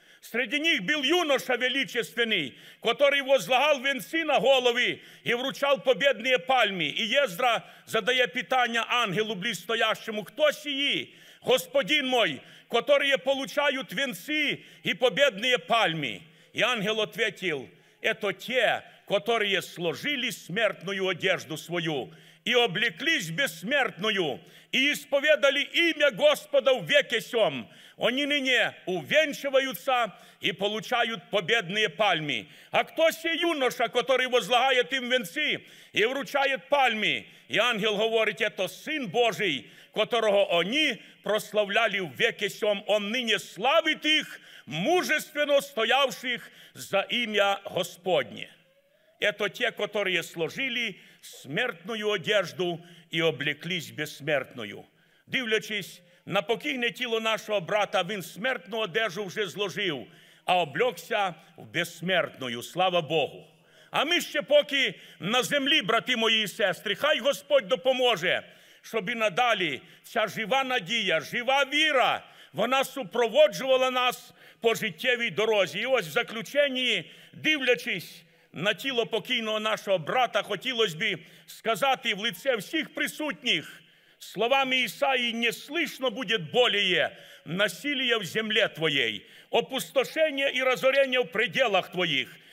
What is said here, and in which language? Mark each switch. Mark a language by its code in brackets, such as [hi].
[uk] Среди них був юноша величественний, котрий возлагав венці на голові і вручав побідні пальми. І Єздра задає питання ангелу близьстоящому, хто сії, [ru] господин мой, [uk] котрі получають венці і побідні пальми. І ангел відповів, [ru] это те, которые сложили смертную одежду свою и облеклись бессмертную и исповедали имя Господа в веке сём. Они ныне увенчиваются и получают победные пальмы. А кто сей юноша, который возлагает им венцы и вручает пальмы? И ангел говорит, это Сын Божий, которого они прославляли в веке сём. Он ныне славит их, мужественно стоявших за имя Господне. Это те, которые сложили смертную одежду и облеклись бессмертную. [uk] Дивлячись на покійне тіло нашого брата, він смертну одежу вже зложив, а [ru] облегся в бессмертную. [uk] Слава Богу! А ми ще поки на землі, брати мої і сестри, хай Господь допоможе, щоб і надалі ця жива надія, жива віра, вона супроводжувала нас по життєвій дорозі. І ось в заключенні, дивлячись на тіло покійного нашого брата, хотілося б сказати в лице всіх присутніх, словами Ісаї, «Не слышно буде боліє насилія в землі твоєй, опустошення і разоріння в пределах твоїх,